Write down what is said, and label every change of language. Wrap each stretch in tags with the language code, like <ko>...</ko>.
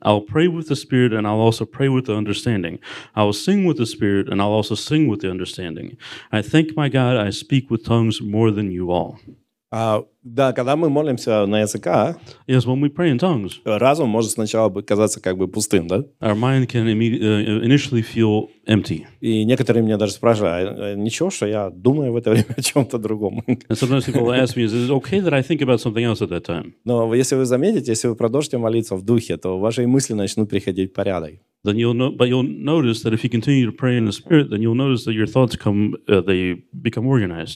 <en>I'll pray with the Spirit, and I'll also pray with the understanding. I'll sing with the Spirit, and I'll also sing with the understanding. I thank my God I speak with tongues more than you all.</en> <ru>Да, когда мы молимся на языках,</ru> <en>yes, when we pray in tongues,</en> <ru>разум может сначала казаться как бы пустым, да?</ru> <en>Our mind can initially feel empty.</en> <ru>И некоторые меня даже спрашивают, ничего, что я думаю в это время о чем-то другом.</ru> <en>And sometimes people ask me, is it okay that I think about something else at that time?</en> <ru>Но если вы заметите, если вы продолжите молиться в духе, то ваши мысли начнут приходить в порядок.</ru> <en>Then you'll know, but you'll notice that if you continue to pray in the Spirit, then you'll notice that your thoughts come, they become organized.</en>